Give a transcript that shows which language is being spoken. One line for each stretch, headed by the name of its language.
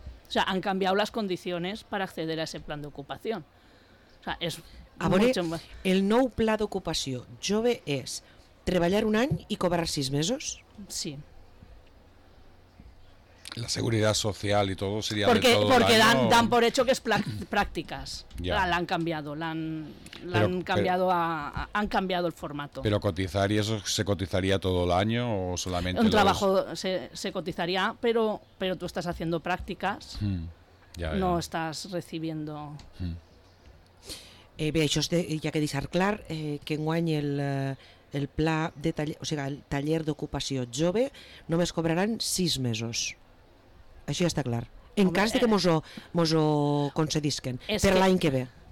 Spanish: O sea, han cambiado las condiciones para acceder a ese plan de ocupación. O sea, es mucho más.
Catalan: El nou pla d'ocupació jove es treballar un any i cobrar 6 mesos?
Spanish: Sí. La seguridad social y todo sería porque, de todo porque el año. Dan por hecho que es prácticas. Ya. La han cambiado, han cambiado el formato. Pero cotizar, ¿y eso se cotizaría todo el año o solamente un trabajo se cotizaría, pero tú estás haciendo prácticas. No estás recibiendo.
Catalan: Bé, això és ja que deixar clar que enguany el pla de taller, o sigui, el taller d'ocupació jove només cobraran 6 mesos. Això ja està clar. En cas de que mos ho concedisquen per l'any que ve.